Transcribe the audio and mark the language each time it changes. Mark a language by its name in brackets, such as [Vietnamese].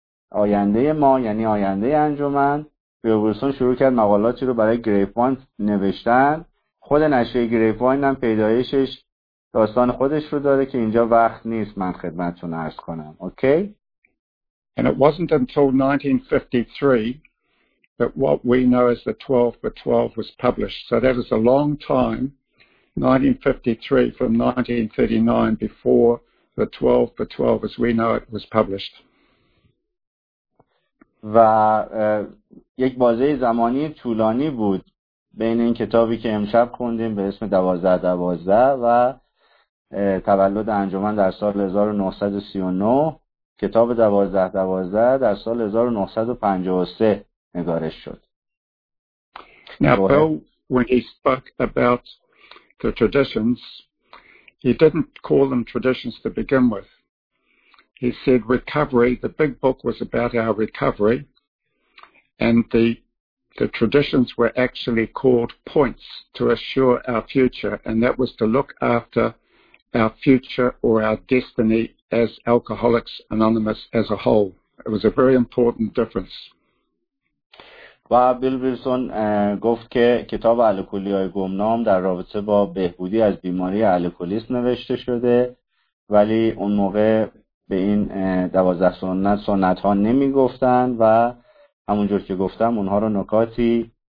[Persian] آینده ما یعنی آینده انجمن بیل ویلسون شروع کرد مقالاتی رو برای گریپوان نوشتن خود نشریه گریپوان هم پیدایشش داستان خودش رو داره که اینجا وقت نیست من خدمتتون عرض کنم اوکی [English] And it wasn't until 1953 that what we know as the 12 by 12 was published so that was a long time 1953 from 1939 before the 12 by 12 as we know it was published [Persian] و یک بازه زمانی طولانی بود بین این کتابی که امشب خوندیم به اسم 12-12 و تولد انجمن در سال 1939 کتاب 12-12 در سال 1953 نگارش شد. [English] Now Bill, when he spoke about the traditions, he didn't call them traditions to begin with. He said recovery, the big book was about our recovery. And the traditions were actually called points to assure our future, and that was to look after our future or our destiny as Alcoholics Anonymous as a whole. It was a very important difference. [Persian] و بیل ویلسون گفت که کتاب الکلی‌های گمنام در رابطه با بهبودی از بیماری الکلیسم نوشته شده ولی اون موقع به این 12 سنت سنت‌ها نمی‌گفتند و همونجور که گفتم اونها رو نکاتی